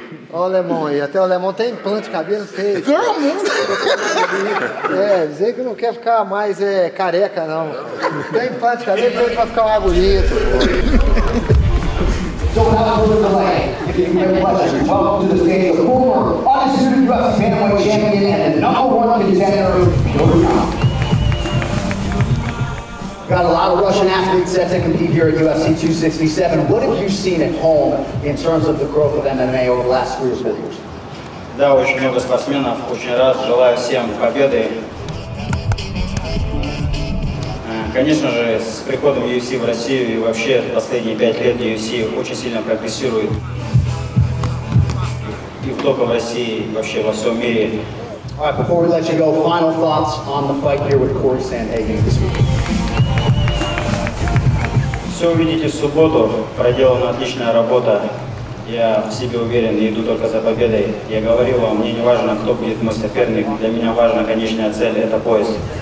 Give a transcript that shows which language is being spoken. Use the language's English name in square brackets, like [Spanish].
[Portuguese] Olha o alemão aí, até o alemão tem implante, cabelo feio. Dizer que não quer ficar mais careca, não. Tem implante, cabelo feio pra ficar mais bonito. [English] So we have a look at the way. If you have a question, welcome to the stage of former undisputed UFC Bantamweight champion and the number one contender, Joe Young. Got a lot of Russian athletes set to compete here at UFC 267. What have you seen at home in terms of the growth of MMA over the last 3 or 4 years? [Russian] Да, очень много спортсменов. Очень рад. Желаю всем победы. Конечно же, с приходом UFC в Россию и вообще последние 5 лет UFC очень сильно прогрессирует. И в только в России, вообще во всем мире. [English] All right, before we let you go, final thoughts on the fight here with Corey Sandhagen this week. [Russian] Все увидите в субботу. Проделана отличная работа. Я в себе уверен и иду только за победой. Я говорил вам, мне не важно, кто будет мой соперник. Для меня важна конечная цель – это поезд.